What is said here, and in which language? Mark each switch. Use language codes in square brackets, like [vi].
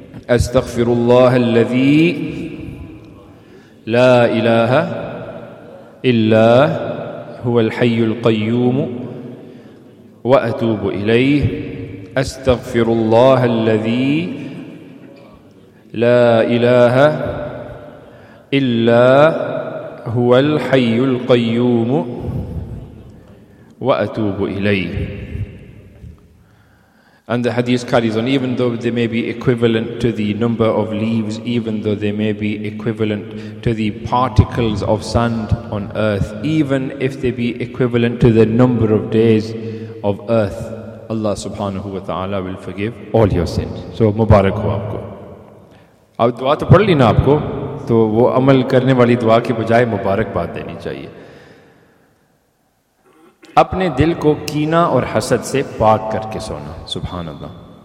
[ar] أستغفر الله الذي لا إله إلا هو الحي القيوم وأتوب إليه. أستغفر الله الذي لا إله إلا هو الحي القيوم وأتوب إليه. [en] And the hadith carries on, even though they may be equivalent to the number of leaves, even though they may be equivalent to the particles of sand on earth, even if they be equivalent to the number of days of earth, Allah subhanahu wa ta'ala will forgive all your sins. [ur] So mubarak ho aapko. Ab dua to padh li na aapko, تو وہ عمل کرنے والی دعا کے بجائے مبارکباد دینی چاہیے. اپنے دل کو کینہ اور حسد سے پاک کر کے سونا, سبحان اللہ.